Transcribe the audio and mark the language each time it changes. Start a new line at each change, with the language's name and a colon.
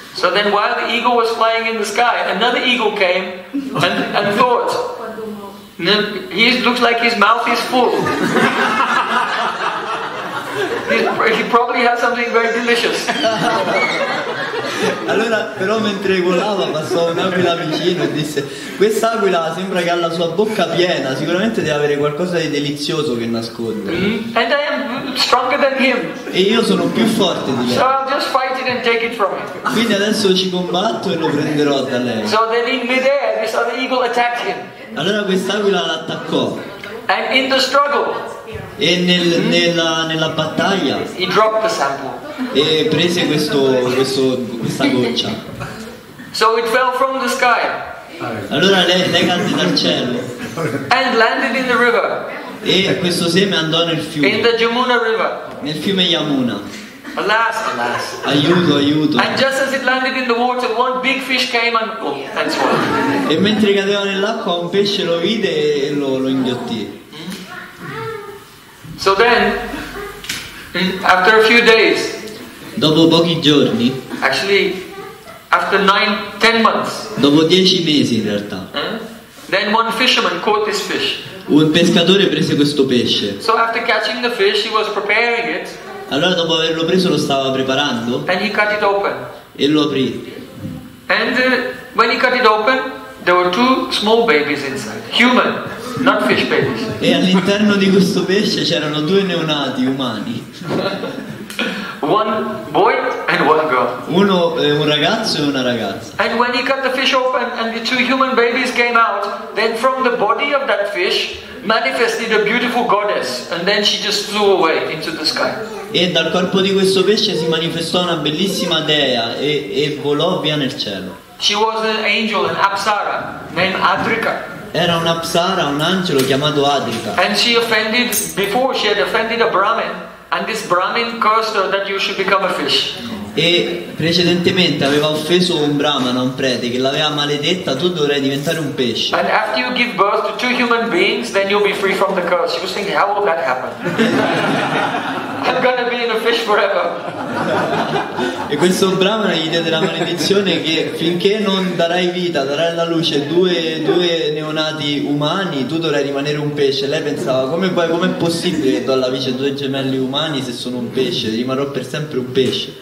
English: So then, while the eagle was flying in the sky, another eagle came and thought, he looks like his mouth is full. He probably has something very delicious.
Italian: Allora, però mentre volava passò un'aquila vicino e disse: quest'aquila sembra che ha la sua bocca piena, sicuramente deve avere qualcosa di delizioso che nasconde.
English: And I am stronger than him.
Italian: E io sono più forte di lei.
English: So I'll just fight it and take it from him.
Italian: Quindi adesso ci combatto e lo prenderò da lei.
English: So then in midair, this other eagle attacked him.
Italian: Allora quest'aquila l'attaccò.
English: And in the struggle.
Italian: E nella battaglia
English: he dropped the sample.
Italian: E prese questa goccia.
English: So it fell from the sky.
Italian: Allora lei cadde dal cielo.
English: And landed in the river.
Italian: E questo seme andò nel fiume.
English: In the Yamuna river.
Italian: Nel fiume Yamuna.
English: Alas, alas.
Italian: Aiuto, aiuto.
English: And just as it landed in the water, one big fish came and swallowed.
Italian: E mentre cadeva nell'acqua, un pesce lo vide e lo inghiottì.
English: So then, after a few days,
Italian: dopo pochi giorni,
English: actually, after 9-10 months,
Italian: dopo 10 mesi in realtà,
English: then one fisherman caught this fish.
Italian: Un pescatore prese questo pesce.
English: So after catching the fish, he was preparing it.
Italian: Allora dopo averlo preso lo stava preparando.
English: And he cut it open.
Italian: E lo aprì.
English: And when he cut it open, there were two small babies inside, human. Not fish babies.
Italian: E all'interno di questo pesce c'erano due neonati umani.
English: One boy and one girl.
Italian: Uno un ragazzo e una ragazza.
English: And when he cut the fish open and the two human babies came out, then from the body of that fish manifested a beautiful goddess, and then she just flew away into the sky.
Italian: E dal corpo di questo pesce si manifestò una bellissima dea e volò via nel cielo.
English: She was an angel, an apsara named Adrika.
Italian: Era una psara, un angelo chiamato Adrika.
English: And she offended, before she had offended a Brahmin, and this Brahmin cursed her that you should become a fish.
Italian: E precedentemente aveva offeso un Brahmana, un prete, che l'aveva maledetta, tu dovrai diventare un pesce.
English: And after you give birth to two human beings, then you'll be free from the curse. She was thinking, how will that happen? I'm gonna be in a fish forever.
Italian: E questo brahmana gli diede la maledizione che finché non darai vita, darai la luce due neonati umani, tu dovrai rimanere un pesce. Lei pensava, come è possibile che do alla vita due gemelli umani se sono un pesce? Rimarrò per sempre un pesce.